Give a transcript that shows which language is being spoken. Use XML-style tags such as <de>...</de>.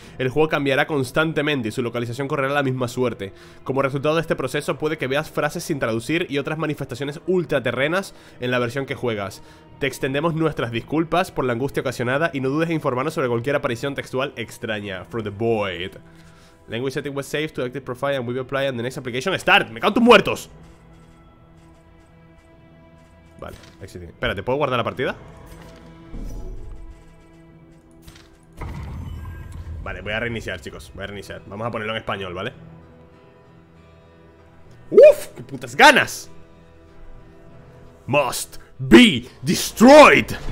<es>El juego cambiará constantemente y su localización correrá la misma suerte. Como resultado de este proceso, puede que veas frases sin traducir y otras manifestaciones ultraterrenas en la versión que juegas. Te extendemos nuestras disculpas por la angustia ocasionada y no dudes en informarnos sobre cualquier aparición textual extraña.</es> <en>From the Void. Language setting was saved to active profile and we will apply on the next application. ¡Start!</en> <es>¡Me cago en tus muertos! Vale, ahí sí tiene. Espérate, ¿puedo guardar la partida? Vale, voy a reiniciar, chicos. Vamos a ponerlo en español, ¿vale? ¡Uf! ¡Qué putas ganas!</es> <en>¡Must be destroyed!</en>